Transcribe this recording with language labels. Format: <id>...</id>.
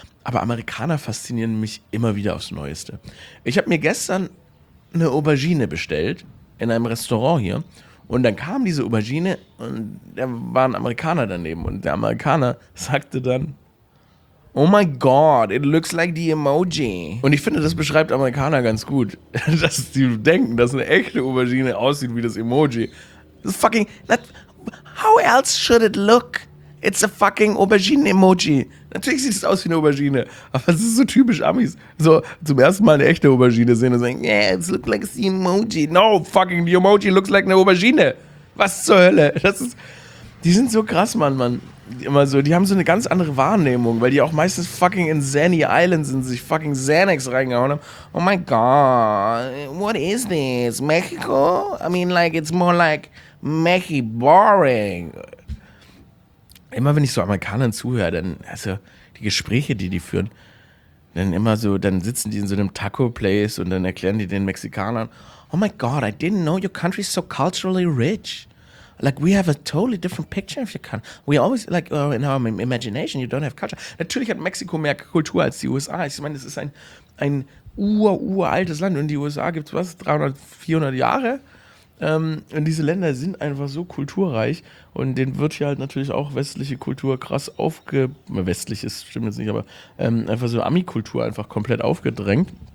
<de>Aber Amerikaner faszinieren mich immer wieder aufs Neueste. Ich habe mir gestern eine Aubergine bestellt in einem Restaurant hier und dann kam diese Aubergine und da war ein Amerikaner daneben und der Amerikaner sagte dann,</de> <en>oh my God, it looks like the emoji.</en> <de>Und ich finde, das beschreibt Amerikaner ganz gut, dass sie denken, dass eine echte Aubergine aussieht wie das Emoji.</de> <en>It's fucking, how else should it look? It's a fucking Aubergine-Emoji.</en> <de>Natürlich sieht es aus wie eine Aubergine. Aber es ist so typisch Amis. So zum ersten Mal eine echte Aubergine sehen und sagen,</de> <en>yeah, it looks like the Emoji. No, fucking, the Emoji looks like</en> <de>eine Aubergine. Was zur Hölle? Die sind so krass, Mann. Immer so, die haben so eine ganz andere Wahrnehmung, weil die auch meistens fucking in Zanny Island sind, sich fucking Xanax reingehauen haben.</de> <en>Oh my God, what is this? Mexico? I mean, like, it's more like Mexi-boring.</en> <de>Immer wenn ich so Amerikanern zuhöre, dann, also die Gespräche, die die führen, dann immer so, dann sitzen die in so einem Taco-Place und dann erklären die den Mexikanern,</de> <en>oh my God, I didn't know your country is so culturally rich. like we have a totally different picture of your country. We always like in our imagination you don't have culture.</en> <de>Natürlich hat Mexiko mehr Kultur als die USA. Ich meine, es ist ein uraltes Land und die USA gibt es was 300, 400 Jahre. Und diese Länder sind einfach so kulturreich und denen wird hier halt natürlich auch westliche Kultur krass westlich ist, stimmt jetzt nicht, aber einfach so Ami-Kultur einfach komplett aufgedrängt.</de>